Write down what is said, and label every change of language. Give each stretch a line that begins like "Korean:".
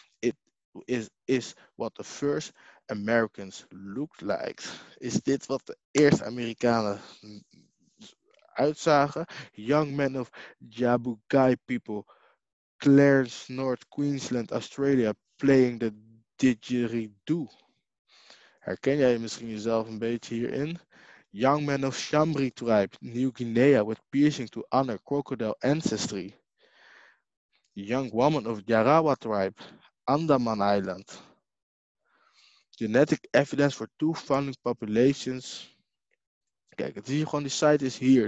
English: It is what the first Americans looked like.
Dutch: Is dit wat de eerste Amerikanen uitzagen?
English: Young men of Jabukai people, Clarence, North Queensland, Australia, playing the didgeridoo.
Dutch: Herken jij misschien jezelf een beetje hierin?
English: Young men of Shambri tribe, New Guinea, with piercing to honor crocodile ancestry. Young woman of Jarawa tribe, Andaman Island. Genetic evidence for two founding populations.
Dutch: Kijk, het is hier gewoon, die site is hier.